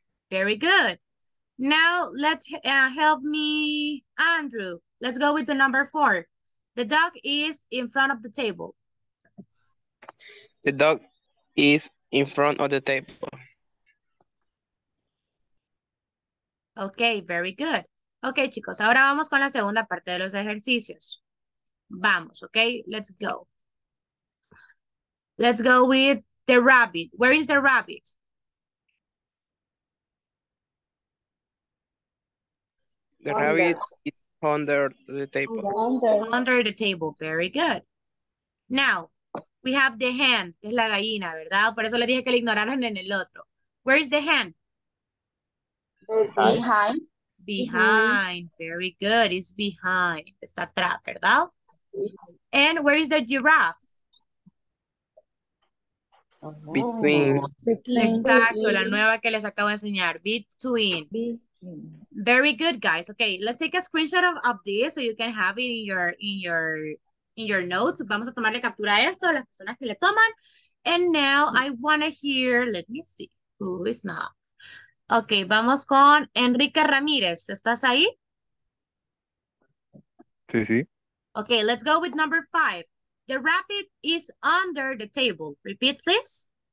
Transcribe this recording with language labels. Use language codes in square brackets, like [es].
[en] Very good. Now let's help me, Andrew. Let's go with the number four. The dog is in front of the table. The dog is in front of the table. Okay, very good. [es] Okay, chicos, ahora vamos con la segunda parte de los ejercicios. Vamos, [en] okay? Let's go. Let's go with the rabbit. Where is the rabbit? The rabbit is under the table. Under the table. Very good. Now, we have the hen. [es] Es la gallina, ¿verdad? Por eso le dije que la ignoraran en el otro. [en] Where is the hen? Behind. Behind. Mm-hmm. Very good. It's behind. [es] Está atrás, ¿verdad? [en] And where is the giraffe? Between. [es] Exacto, la nueva que les acabo de enseñar. [en] Between. Very good, guys. Okay, let's take a screenshot of this so you can have it in your notes. [es] Vamos a tomarle captura a esto, a las personas que le toman. [en] And now I want to hear, let me see, who is not. [es] Okay, vamos con Enrique Ramírez. ¿Estás ahí? Sí, sí. [en] Okay, let's go with number five. The rabbit is under the table. Repeat, please.